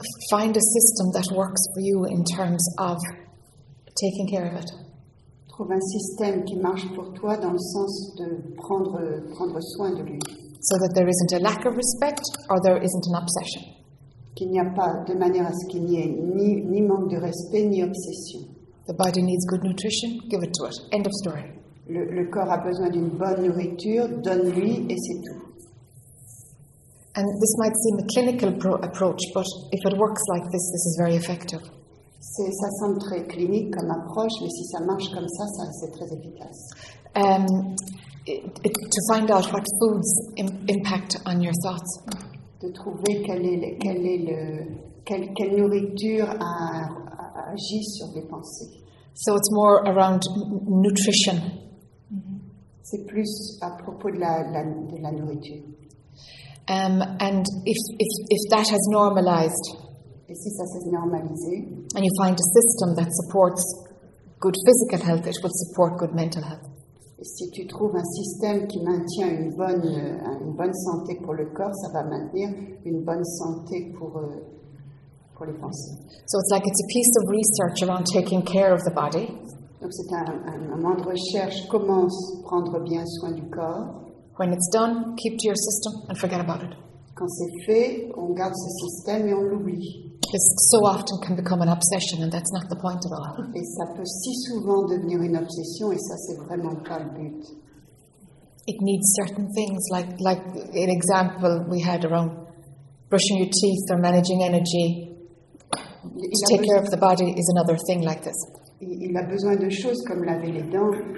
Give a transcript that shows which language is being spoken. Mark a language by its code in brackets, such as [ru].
[en] Find a system that works for you in terms of taking care of it. [fr] trouve un système qui marche pour toi dans le sens de prendre soin de lui. [en] So that there isn't a lack of respect or there isn't an obsession. [fr] Qu'il n'y a pas de manière à ce qu'il n'y ait ni manque de respect ni obsession. [en] The body needs good nutrition, give it to it. End of story. [fr] Le corps a besoin d'une bonne nourriture, donne-lui et c'est tout. [en] And this might seem a clinical approach, but if it works like this, this is very effective. [fr] Ça semble très clinique comme approche, mais si ça marche comme ça, ça c'est très efficace. [en] To find out what foods impact on your thoughts. [fr] De trouver quelle nourriture agit sur les pensées. [en] So it's more around nutrition. [fr] C'est plus à propos de la nourriture. [en] And if that has normalized. [fr] Et si ça s'est normalisé. [en] And you find a system that supports good physical health, it will support good mental health. [fr] Et si tu trouves un système qui maintient une bonne santé pour le corps, ça va maintenir une bonne santé pour les pensées. [en] So it's like it's a piece of research around taking care of the body. [fr] Donc c'est un moment de recherche, comment prendre bien soin du corps. [en] When it's done, keep to your system and forget about it. [fr] Quand c'est fait, on garde ce système et on l'oublie. [en] This so often can become an obsession, and that's not the point at all. [fr] Et ça peut si souvent devenir une obsession, et ça c'est vraiment pas le but. [en] It needs certain things, like an example we had around brushing your teeth or managing energy. To take care of the body is another thing like this. [fr] Il a besoin de choses comme laver les dents.